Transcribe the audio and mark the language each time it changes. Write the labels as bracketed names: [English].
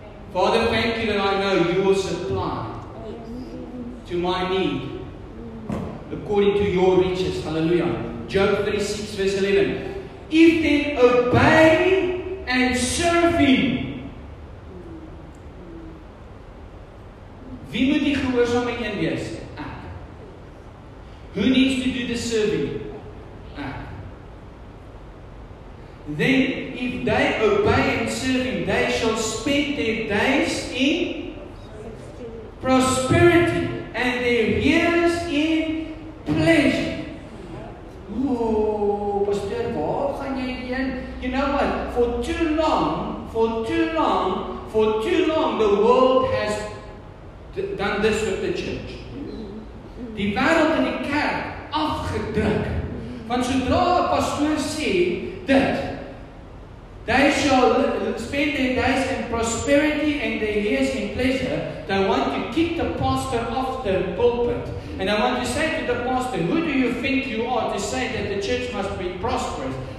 [English] Father, thank you that I know you will supply to my need according to your riches. Hallelujah. Job 36 verse 11. If they obey and serve him, [Afrikaans] wie moet die gehoorsame een wees? [English] Ek. Who needs to do the serving? Then, if they obey and serve him, they shall spend their days in prosperity and their years in pleasure. [Afrikaans] Oh, Pastor, waar gaan jy heen? [English] You know what? For too long, the world has done this with the church. [Afrikaans] Die wêreld en die kerk afgedruk. Want sodra 'n pastoor sê dit, [English] they shall spend their days in prosperity and their years in pleasure. They want to kick the pastor off the pulpit. And I want to say to the pastor, who do you think you are to say that the church must be prosperous?